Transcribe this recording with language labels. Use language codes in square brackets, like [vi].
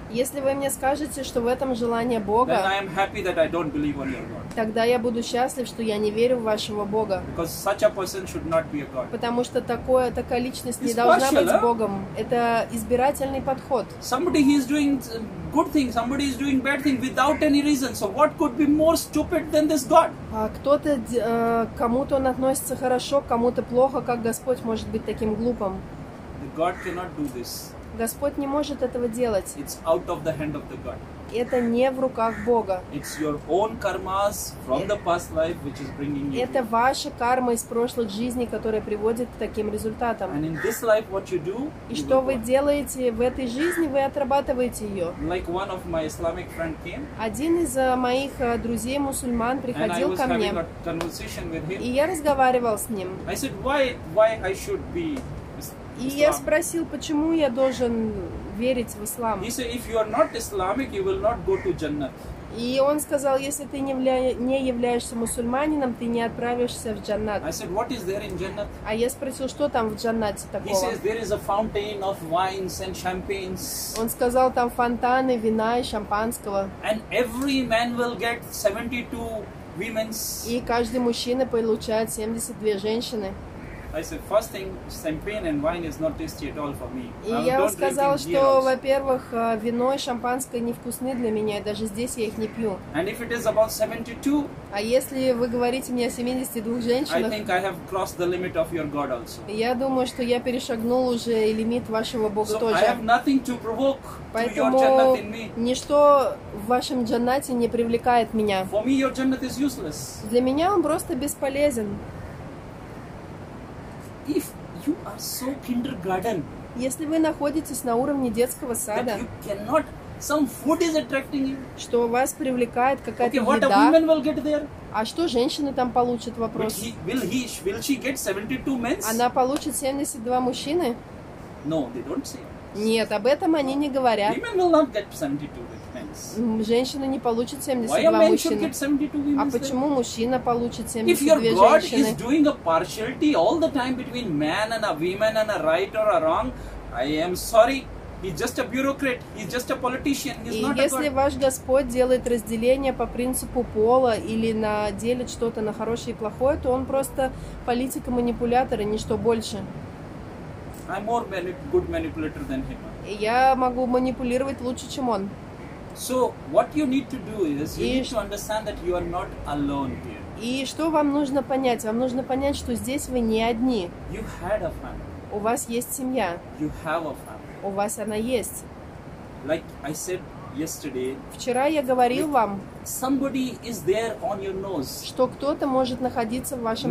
[ru] если вы мне скажете, что в этом желание Бога, [en] then I am happy that I don't believe on your God. [ru] Тогда я буду счастлив, что я не верю в вашего Бога. [en] Because such a person should not be a God. [ru] Потому что такая личность не должна быть Богом. Это избирательный подход. [en] Somebody is doing good thing, somebody is doing bad thing without any reason. So what could be more stupid than this God? [ru] Кто-то кому-то он относится хорошо, кому-то плохо. Как Господь может быть таким глупым? [en] The God cannot do this. [ru] Господь не может этого делать. [en] It's out of the hand of the God. [ru] Это не в руках Бога. [en] It's your own karmas from the past life which is bringing you. [ru] Это ваша карма из прошлых жизней, которая приводит к таким результатам. [en] And in this life, what you do? [ru] И что вы делаете в этой жизни, вы отрабатываете ее. [en] Like one of my Islamic friend came. [ru] Один из моих друзей мусульман приходил ко мне. [en] And I was having a conversation with him. [ru] И я разговаривал с ним. [en] I said, why I should be. [ru] И я спросил, почему я должен верить в ислам. [en] He said, if you are not Islamic, you will not go to Jannah. [ru] И он сказал, если ты не являешься мусульманином, ты не отправишься в Джаннат. [en] I said, what is there in Jannah? [ru] А я спросил, что там в Джаннате такого? [en] He says, there is a fountain of wines and champagnes. [ru] Он сказал, там фонтаны вина и шампанского. [en] And every man will get 72 women. [ru] И каждый мужчина получает 72 женщины. [en] I said, first thing, champagne and wine is not tasty at all for me. [ru] И я сказал, что, во-первых, вино и шампанское невкусны для меня, и даже здесь я их не пью. [en] And if it is about 72, [ru] а если вы говорите мне о 72 женщинах, [en] I think I have crossed the limit of your God also. [ru] Я думаю, что я перешагнул уже лимит вашего Бога [en] so [ru] тоже. [en] I have nothing to provoke [ru] Поэтому [en] to your jannat in me. [ru] Ничто в вашем джаннате не привлекает меня. [en] For me, your jannat is useless. [ru] Для меня он просто бесполезен. [en] If you are so kindergarten, [ru] если вы находитесь на уровне детского сада, [en] that you cannot, some food is attracting you. [ru] Что вас привлекает какая-то [en] okay, what [ru] еда, [en] a woman will get there? [ru] А что женщина там получит, вопрос? [en] Will she get 72 men? [ru] Она получит 72 мужчины? [en] No, they don't say. [ru] Нет, об этом они не говорят. [en] Women will not get 72 men. [ru] Женщина не получит 72 мужчины. А почему мужчина получит 72 женщины? [en] If your God is doing a partiality all the time between man and a woman and a right or a wrong, I am sorry. He's just a bureaucrat. He's just a politician. He's [ru] И [en] not [ru] если [en] a [ru] ваш Господь делает разделение по принципу пола или на делит что-то на хорошее и плохое, то он просто политик-манипулятор и ничто больше. [en] I'm more good manipulator than him. [ru] Я могу манипулировать лучше, чем он. [en] So what you need to do is you need to understand that you are not alone here. [ru] И что вам нужно понять? Вам нужно понять, что здесь вы не одни. [en] You had a family. [ru] У вас есть семья. [en] You have a family. [ru] У вас она есть. [en] Like I said yesterday. [ru] Вчера я говорил вам. [en] Somebody is there on your nose. [ru] Что кто-то может находиться в вашем